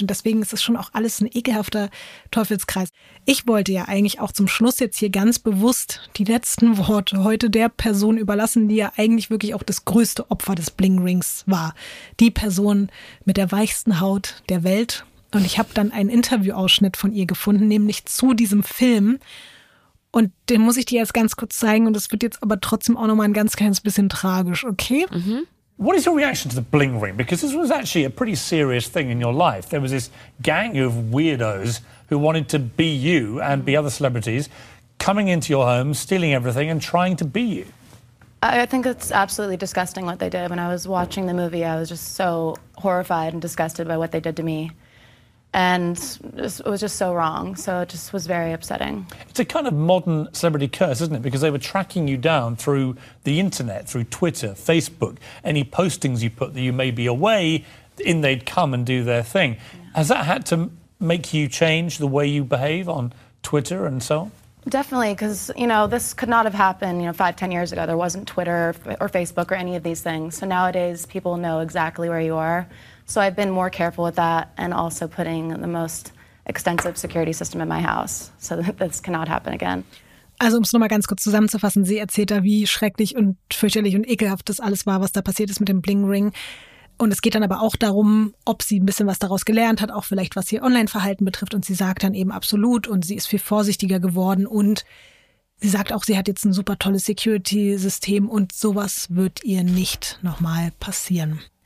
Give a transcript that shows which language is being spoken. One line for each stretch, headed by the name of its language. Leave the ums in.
German: Und deswegen ist es schon auch alles ein ekelhafter Teufelskreis. Ich wollte ja eigentlich auch zum Schluss jetzt hier ganz bewusst die letzten Worte heute der Person überlassen, die ja eigentlich wirklich auch das größte Opfer des Bling Rings war. Die Person mit der weichsten Haut der Welt, und ich habe dann einen Interviewausschnitt von ihr gefunden, nämlich zu diesem Film. Und den muss ich dir jetzt ganz kurz zeigen. Und es wird jetzt aber trotzdem auch nochmal ein ganz kleines bisschen tragisch, okay? Mhm.
English: Mm what is your reaction to the Bling Ring? Because this was actually a pretty serious thing in your life. There was this gang of weirdos who wanted to be you and be other celebrities coming into your home, stealing everything and trying to be you. I think it's absolutely disgusting what they did. When I was watching the movie, I was just so horrified and disgusted by what they did to me. and it was just so wrong. So it just was very upsetting. It's a kind of modern celebrity curse, isn't it? Because they were tracking you down through the internet, through Twitter, Facebook, any postings you put that you may be away in, they'd come and do their thing. Yeah. Has that had to make you change the way you behave on Twitter and so on? Definitely, because you know this could not have happened. You know, five, ten years ago, there wasn't Twitter or Facebook or any of these things. So nowadays, people know exactly where you are, So I've been more careful with that and also putting the most extensive security system in my house so that this cannot happen again.
German: Also um es nochmal ganz kurz zusammenzufassen, sie erzählt da, wie schrecklich und fürchterlich und ekelhaft das alles war, was da passiert ist mit dem Bling Ring. Und es geht dann aber auch darum, ob sie ein bisschen was daraus gelernt hat, auch vielleicht was ihr Online-Verhalten betrifft. Und sie sagt dann eben absolut und sie ist viel vorsichtiger geworden. Und sie sagt auch, sie hat jetzt ein super tolles Security-System und sowas wird ihr nicht nochmal passieren.